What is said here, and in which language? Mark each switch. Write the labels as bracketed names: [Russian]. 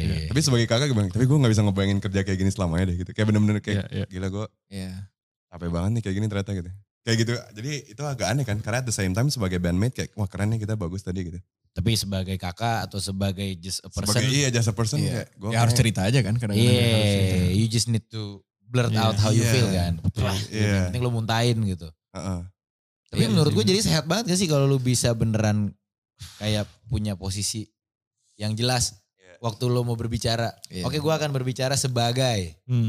[Indonesian] Tapi sebagai kakak gimana? Tapi gue gak bisa ngebayangin kerja kayak gini selamanya deh gitu. Kayak bener-bener kayak gila gue capek banget nih kayak gini ternyata gitu. Kayak gitu, jadi itu agak aneh kan. Karena [English] at the same time [Indonesian] sebagai bandmate kayak wah keren nih kita bagus tadi gitu. Tapi sebagai kakak atau sebagai [English] just a person. [Indonesian] Sebagai [English] just a person [Indonesian] kayak gue. Ya harus cerita aja kan. [English] Iya, you just need to blurt out how you feel kan. [Indonesian] Penting lu muntahin gitu. Tapi menurut gue jadi sehat banget gak sih kalau lu bisa beneran kayak punya posisi yang jelas waktu lu mau berbicara. Oke, gue akan berbicara sebagai.